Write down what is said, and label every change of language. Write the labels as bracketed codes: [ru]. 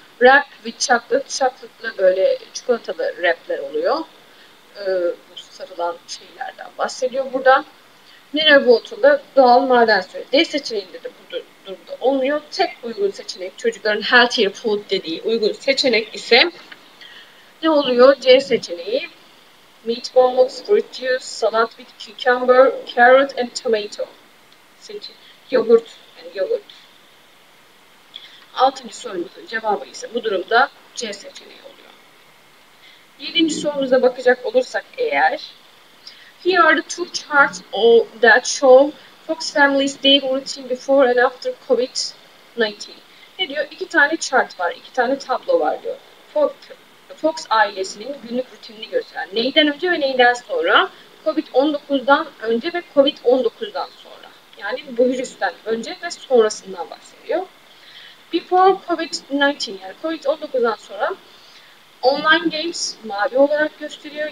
[en] Wrap with chocolate. [tr] Chocolate'lı böyle çikolatalı wrapler oluyor. Bu sarılan şeylerden bahsediyor burada. Mineral water'la doğal maden suyu. D seçeneğinde de bu durumda olmuyor. Tek uygun seçenek çocukların healthier food dediği uygun seçenek ise ne oluyor? C seçeneği. [en] Meatballs, fruit juice, salad with cucumber, carrot and tomato. [tr] Seçin. Yoğurt. Yani yoğurt. Altıncı sorumuzun cevabı ise bu durumda C seçeneği oluyor. Yedinci sorumuza bakacak olursak eğer. [en] Here are the two charts that show Fox Family's daily routine before and after COVID-19. [tr] Ne diyor? İki tane chart var, iki tane tablo var diyor. Fox ailesinin günlük rutinini gösteren. Neyden önce ve neyden sonra? COVID-19'dan önce ve COVID-19'dan sonra. Yani bu virüsten önce ve sonrasından bahsediyor. Before COVID-19, yani COVID-19'dan sonra online games mavi olarak gösteriyor.